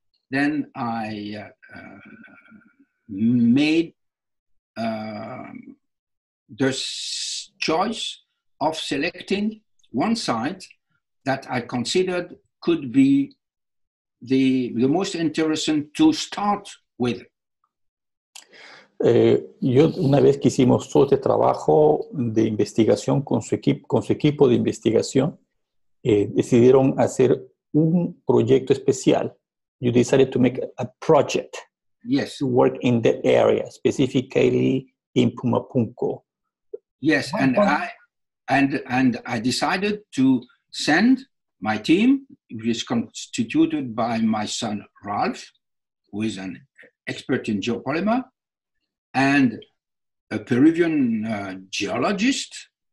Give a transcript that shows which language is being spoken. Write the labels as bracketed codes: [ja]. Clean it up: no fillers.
[en] Then I made the choice of selecting one site that I considered could be the most interesting to start with. [es] Yo una vez que hicimos todo este trabajo de investigación con su equipo de investigación, decidieron hacer un proyecto especial. [en] You decided to make a project. Yes. To work in the area, specifically in Pumapunco. Yes, I decided to send my team, which is constituted by my son Ralph, who is an expert in geopolymer, and a Peruvian geologist